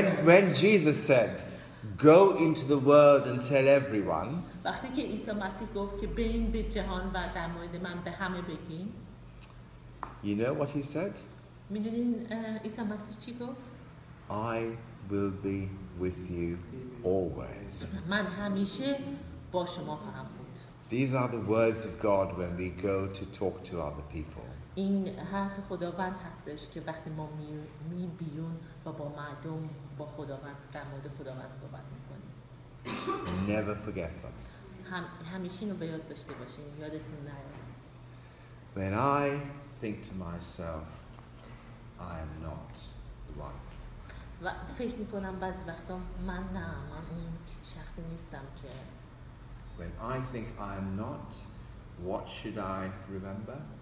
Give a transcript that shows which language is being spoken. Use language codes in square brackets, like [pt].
[en] When Jesus said, "Go into the world and tell everyone." [fa] وقتی که عیسی مسیح گفت که برین به جهان و در مورد من به همه بگین. [en] You know what he said? [fa] می‌دونین عیسی مسیح چی گفت؟ [en] I will be with you always. [fa] من همیشه با شما خواهم بود. [en] These are the words of God when we go to talk to other people. [fa] این حرف خداوند هستش که وقتی ما می بیون و با مردم با خداوند در مورد خداوند صحبت میکنیم. [en] Never forget them. [fa] همیشه اینو به یاد داشته باشین، یادتون نره. [en] When I think to myself, I am not the one. [fa] و فکر میکنم بعضی وقتا من نه، من اون شخصی نیستم که. [en] When I think I am not, what should I remember?